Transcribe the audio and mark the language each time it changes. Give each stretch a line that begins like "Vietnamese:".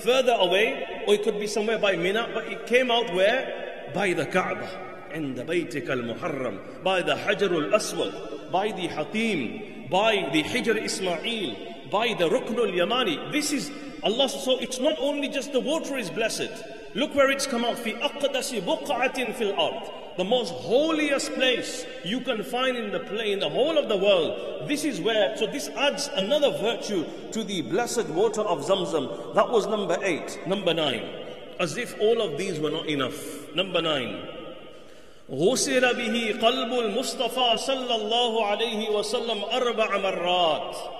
English: Further away. Or it could be somewhere by Mina. But it came out where? By the Kaaba.
Arabic: عند بيتك المحرم,
English: by the Hajar al-Aswad, by the Hatim, by the Hijr Ismail, by the Rukn al-Yamani. This is Allah. So it's not only just the water is blessed. Look where it's come out.
Arabic: في أقدس بقعة في الأرض.
English: The most holiest place you can find in the whole of the world. This is where. So this adds another virtue to the blessed water of Zamzam. That was number eight. Number nine. As if all of these were not enough. Number nine.
Arabic: غسل به قلب المصطفى صلى الله عليه وسلم أربع مرات.